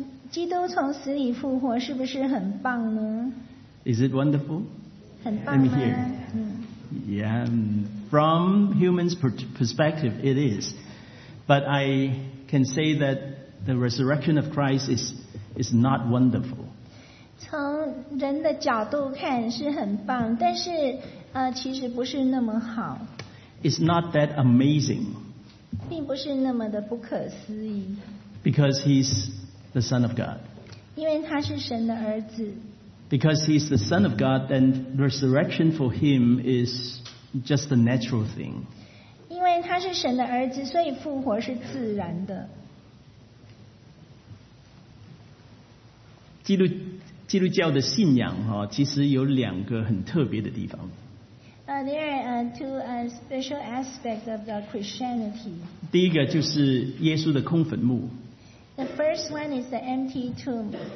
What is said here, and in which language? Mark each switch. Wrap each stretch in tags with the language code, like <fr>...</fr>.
<zh>基督从死里复活是不是很棒呢?</zh> <en>Is it wonderful?</en> <zh>很棒吗?</zh> <en>Let me hear. Yeah, from human's perspective, it is. But I can say that the resurrection of Christ is not wonderful.</en> <zh>从人的角度看是很棒, 但是, 其实不是那么好。</zh> <en>It's not that amazing.</en> <zh>并不是那么的不可思议。</zh> <en>Because he's the Son of God. Because he's the Son of God, then resurrection for him is just a natural thing. There are two special aspects of the Christianity.</en> <zh>第一个就是耶稣的空坟墓。</zh> <en>The first one is the empty tomb.</en>